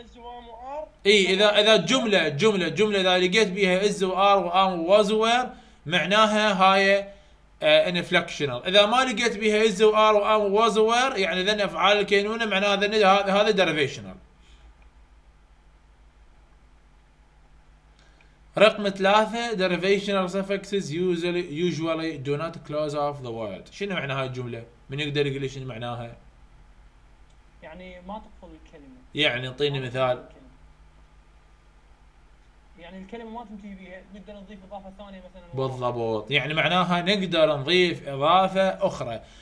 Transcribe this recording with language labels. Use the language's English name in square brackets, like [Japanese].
[Arabic] از وام وار؟ اي اذا جمله اذا لقيت بيها از وار وام وزوير معناها هاي انفليكشنال، اذا ما لقيت بيها از وار وام وزوير يعني ذن افعال الكينونه معناها ذن هذا ديريفيشنال. رقم ثلاثة [English] derivational suffixes usually do not close off the word. [Arabic] شنو معنى هاي الجملة؟ من يقدر يقول لي شنو معناها؟ يعني ما تقفل الكلمة. يعني اعطيني مثال. يعني الكلمة ما تنتهي بها، نقدر نضيف إضافة ثانية مثلا. بالضبط، يعني معناها نقدر نضيف إضافة أخرى.